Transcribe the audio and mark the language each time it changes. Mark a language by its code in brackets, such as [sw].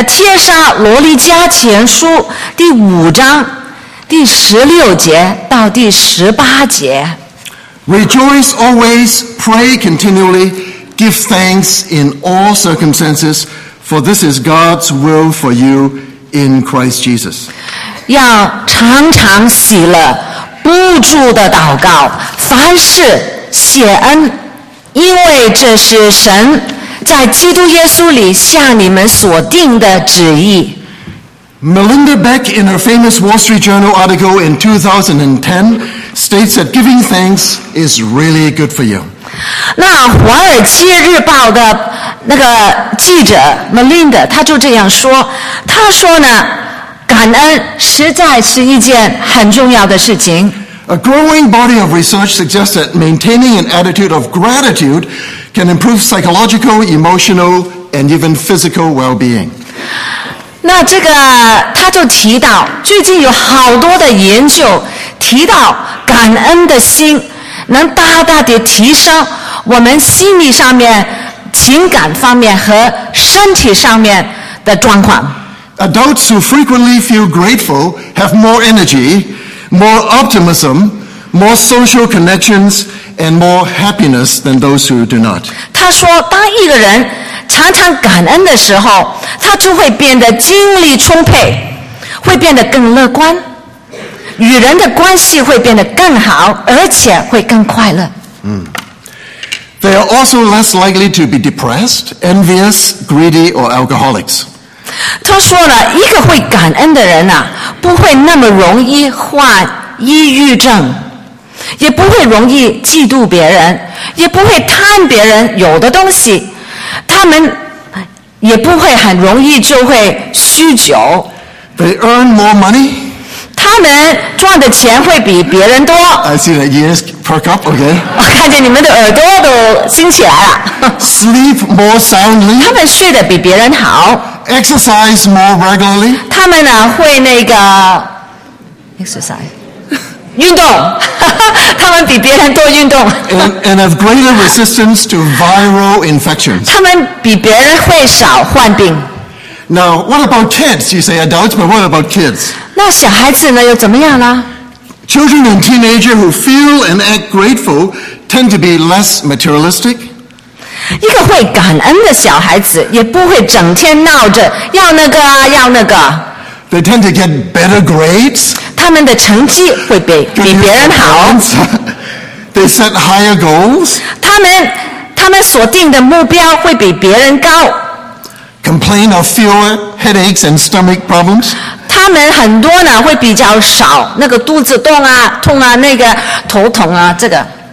[zh] 帖撒罗尼迦前书第五章第16节到第18节。 [en] Rejoice always, pray continually, give thanks in all circumstances, for this is God's will for you. In Christ Jesus. [zh] 要常常喜乐，不住的祷告，凡事谢恩，因为这是神在基督耶稣里向你们所定的旨意。 [en] Melinda Beck in her famous Wall Street Journal article in 2010 states that giving thanks is really good for you. [zh] 那华尔街日报的那个记者 Melinda 他就这样说，他说呢，感恩实在是一件很重要的事情。 [en] A growing body of research suggests that maintaining an attitude of gratitude can improve psychological, emotional, and even physical well-being. [zh] 那这个他就提到，最近有好多的研究提到感恩的心能大大地提升我们心理上面、情感方面和身体上面的状况。 [en] Adults who frequently feel grateful have more energy, more optimism, more social connections, and more happiness than those who do not. [zh] 他说，当一个人常常感恩的时候，他就会变得精力充沛，会变得更乐观，与人的关系会变得更好，而且会更快乐。 [en] They are also less likely to be depressed, envious, greedy, or alcoholics. [zh] 他说了，一个会感恩的人啊，不会那么容易患抑郁症，也不会容易嫉妒别人，也不会贪别人有的东西，他们也不会很容易就会酗酒。 [en] They earn more money. [zh] 他们赚的钱会比别人多。 [en] I see that ears perk up, okay. [zh] 我看见你们的耳朵都兴起来了。 [en] Sleep more soundly. [zh] 他们睡得比别人好。 [en] Exercise more regularly. [zh] 他们呢会那个 exercise 运动，他们比别人多运动。 [en] And have greater resistance to viral infections. [zh] 他们比别人会少患病。 [en] Now, what about kids? You say adults, but what about kids? [zh] 那小孩子呢又怎么样呢？ [en] Children and teenagers who feel and act grateful tend to be less materialistic. [zh] 一个会感恩的小孩子也不会整天闹着要那个啊要那个。 [en] They tend to get better grades. [zh] 他们的成绩会比别人好。 [en] They set higher goals. [zh] 他们锁定的目标会比别人高。 [en] Complain of fewer headaches and stomach problems. [zh] 他们很多呢会比较少那个肚子痛啊痛啊那个头痛啊这个。